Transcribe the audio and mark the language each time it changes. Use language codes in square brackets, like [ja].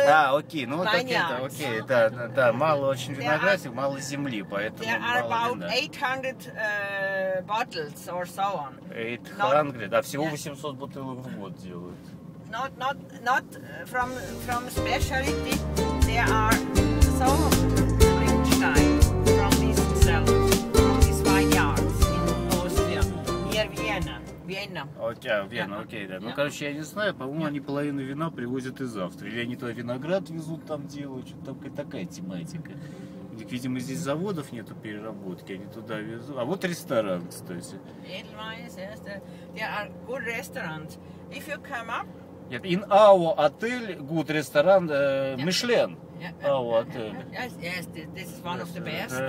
[ru] Да, окей, ну вот окей, да, окей, да, да, да, мало очень виноградов, мало земли, поэтому [en] There are [ru] мало [en] about 800 bottles or so on. [ru] 800, да, всего 800 бутылок в год делают. [en] Not from specialty, there are so Liechtenstein from these cellars, from these vineyards in Austria, near Vienna. [ru] Окей, Вена, окей, да. Ну, короче, я не знаю, по-моему, они половину вина привозят из Австрии. Или они туда виноград везут, там делают, что-то там такая тематика. У них, видимо, здесь заводов нету переработки, они туда везут. А вот ресторан, кстати. [en] Edelweiss, yes, there are good restaurants. If you come up... [ru] Нет, [en] in our hotel, good restaurant, Michelin. Our hotel. Yes, this is one of the best.